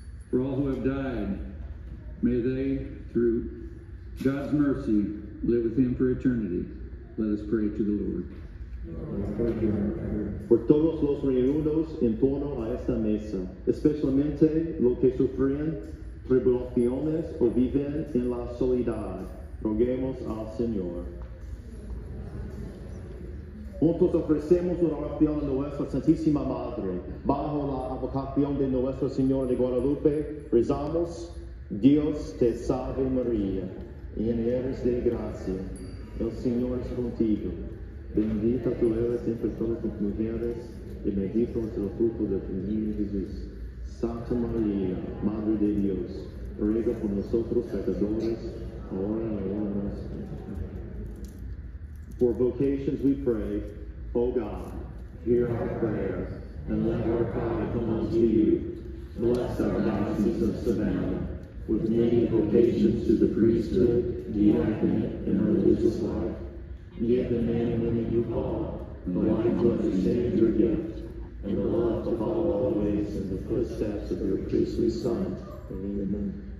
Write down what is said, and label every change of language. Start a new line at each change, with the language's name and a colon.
English: For all who have died, may they, through God's mercy, live with him for eternity. Let us pray to the Lord.
Spanish: Por todos los reunidos en torno a esta mesa, especialmente los que sufren tribulaciones o viven en la soledad, roguemos al Señor. Juntos ofrecemos una oración a nuestra Santísima Madre, bajo la advocación de Nuestra Señora de Guadalupe, rezamos, Dios te salve María, llena eres de gracia, El Señor es contigo. Bendita tú eres entre todas tus mujeres y bendito es el fruto de tu niño Jesús. Santa María, Madre de Dios, ruega por nosotros pecadores, ahora y en la hora de nuestra muerte.
English: For vocations we pray, O God, hear our prayers, and let our cry come unto you. Bless our diocese of Savannah with many vocations to the priesthood, diaconate, and religious life. Give the men and women you call the life of the Savior gift, and the love to follow always in the footsteps of your priestly Son. Amen.